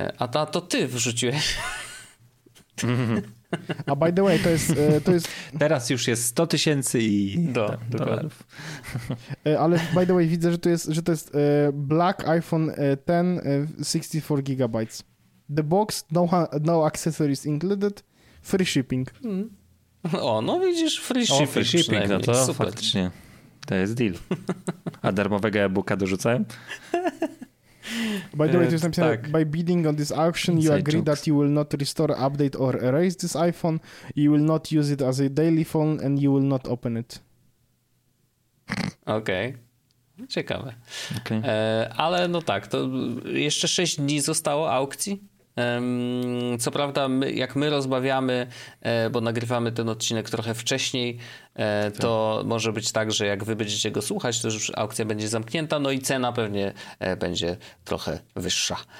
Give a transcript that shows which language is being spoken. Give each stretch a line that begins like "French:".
Polish: To ty wrzuciłeś. A
English: by the way,
Polish: to jest... Teraz już jest 100 tysięcy i... Dolarów. Ale
English: by the way,
Polish: widzę, że to jest Black iPhone 10 64 GB.
English: The box, no accessories included, free shipping.
Polish: O, no widzisz,
English: free shipping,
Polish: no to super. Faktycznie. To jest deal. A darmowego e-booka dorzucałem?
English: By the way,
Polish: to jest napisane, tak.
English: By bidding on this auction, you agree jokes. That you will not restore, update or erase this iPhone, you will not use it as a daily phone and you will not open it.
Polish: Okej. Okay. Ciekawe. Okay. Ale no tak, to jeszcze 6 dni zostało aukcji? Co prawda, my, jak my rozmawiamy, bo nagrywamy ten odcinek trochę wcześniej, to może być tak, że jak wy będziecie go słuchać, to już aukcja będzie zamknięta, no i cena pewnie będzie trochę wyższa.